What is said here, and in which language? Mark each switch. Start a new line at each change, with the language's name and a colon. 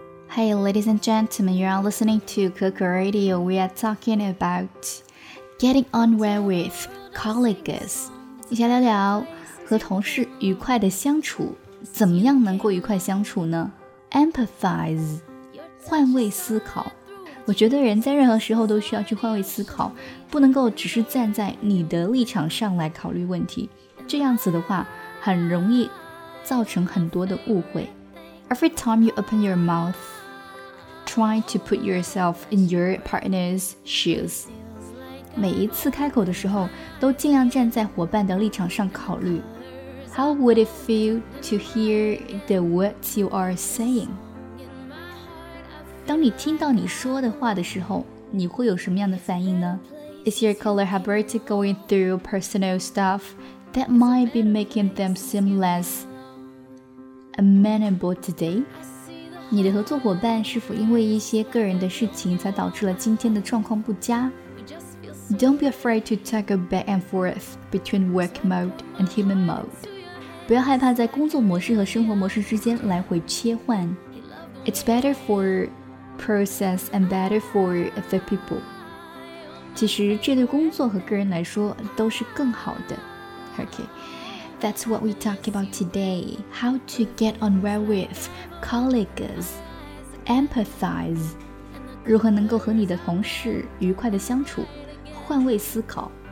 English: Hey, ladies and gentlemen, you are listening to Coco Radio. We are talking about getting on well with colleagues.
Chinese: 一起聊聊和同事愉快的相处，怎么样能够愉快相处呢？ Empathize， 换位思考。我觉得人在任何时候都需要去换位思考，不能够只是站在你的立场上来考虑问题，这样子的话很容易造成很多的误会。
English: Every time you open your mouth, try to put yourself in your partner's shoes.
Chinese: 每一次开口的时候都尽量站在伙伴的立场上考虑。
English: How would it feel to hear the words you are saying?
Chinese: 当你听到你说的话的时候，你会有什么样的反应呢？
English: Is your collaborator going through personal stuff that might be making them seem less amenable today?
Chinese: 你的合作伙伴是否因为一些个人的事情才导致了今天的状况不佳？
English: Don't be afraid to toggle back and forth between work mode and human mode.
Chinese: 不要害怕在工作模式和生活模式之间来回切换。
English: It's better forprocess and better for the people.
Chinese: 其实这对工作和个人来说都是更好的。
English: Okay, that's what we talk about today. How to get on well with colleagues. Empathize.
Chinese: 如何能够和你的同事愉快的相处，换位思考。